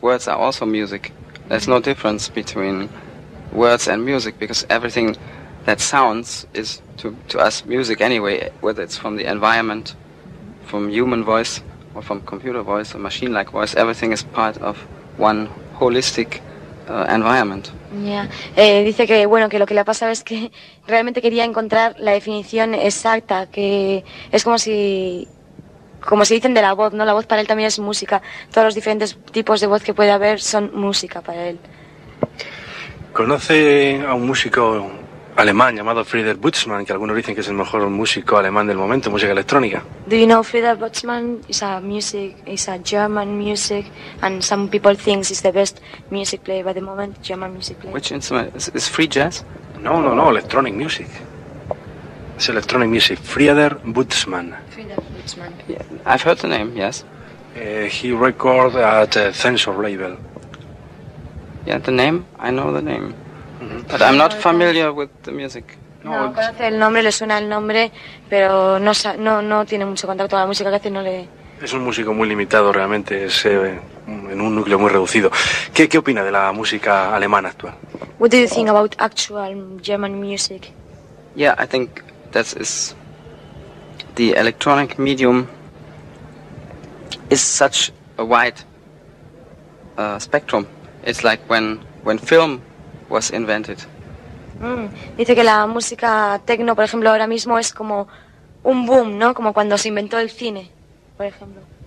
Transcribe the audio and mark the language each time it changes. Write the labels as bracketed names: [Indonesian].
[English] Words are also music. There's no difference between words and music, because everything that sounds is to us music anyway, whether it's from the environment, from human voice, or from computer voice, or machine-like voice, everything is part of one holistic environment. Yeah. [Spanish] Dice que, bueno, que lo que le ha pasado es que realmente quería encontrar la definición exacta, que es como si dicen de la voz, ¿no? La voz para él también es música. Todos los diferentes tipos de voz que puede haber son música para él. ¿Conoce a un músico alemán llamado Frieder Butzmann, que algunos dicen que es el mejor músico alemán del momento, música electrónica? [English] Do you know Frieder Butzmann is a music, is a German music, and some people think it's the best music player by the moment, German music player. Which instrument? Is free jazz? No, electronic music. It's electronic music. Frieder Butzmann. Yeah, I've heard the name, yes. He record at a censor label. Yeah, the name? I know the name. Mm-hmm. But I'm not familiar with the music. [Spanish] No, conoce el nombre, le suena el nombre, pero no tiene mucho contacto con la música que hace, no le. Es un músico muy limitado, realmente, es en un núcleo muy reducido. ¿Qué opina de la música alemana actual? [English] What do you think about actual German music? Yeah, I think that is the electronic medium is such a wide spectrum. It's like when film was invented. Mm. [Spanish] Dice que la música techno, por ejemplo, ahora mismo es como un boom, ¿no? Como cuando se inventó el cine, por ejemplo.